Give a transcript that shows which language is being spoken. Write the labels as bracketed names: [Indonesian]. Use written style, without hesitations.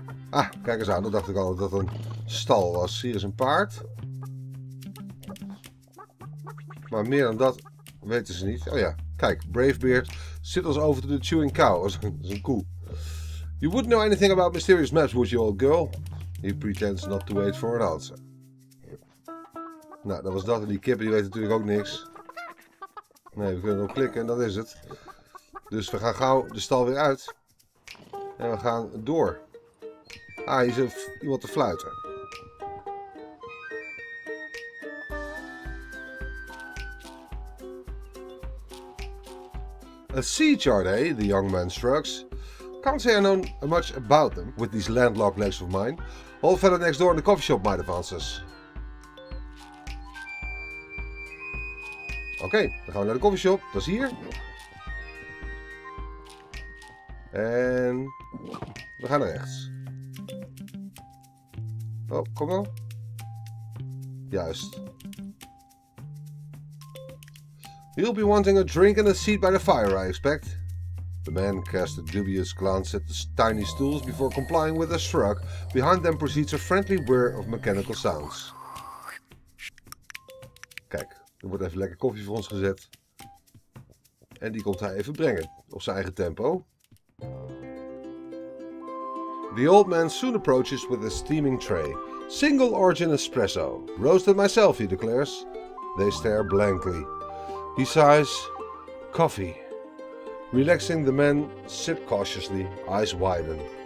[Dutch] Ah, kijk eens aan, dat dacht ik al dat het een stal was. Hier is een paard. Maar meer dan dat weten ze niet. Oh ja, kijk, Bravebeard zit als over de chewing cow, als een koe. [English] You wouldn't know anything about mysterious maps, would you, old girl? He pretends not to wait for an answer. [Dutch] Nou, dat was dat. En die kippen, die weten natuurlijk ook niks. Nee, we kunnen erop klikken en dat is het. Dus we gaan gauw de stal weer uit. En we gaan door. Ah, hier is iemand te fluiten. [English] A sea chart, eh? The young man shrugs. Can't say I know much about them, with these landlocked legs of mine. All the fellow next door in the coffee shop might have answers. [Dutch] Oké, dan gaan we naar de coffee shop. Dat is hier. En we gaan naar rechts. Oh, kom wel. Juist. [English] You'll be wanting a drink and a seat by the fire, I expect. The man cast a dubious glance at the tiny stools before complying with a shrug. Behind them proceeds a friendly whir of mechanical sounds. [Dutch] Kijk, er wordt even lekker koffie voor ons gezet. En die komt hij even brengen, op zijn eigen tempo. [English] The old man soon approaches with a steaming tray. Single origin espresso. Roasted myself, he declares. They stare blankly. He sighs, coffee. Relaxing, the men sip cautiously, eyes widen.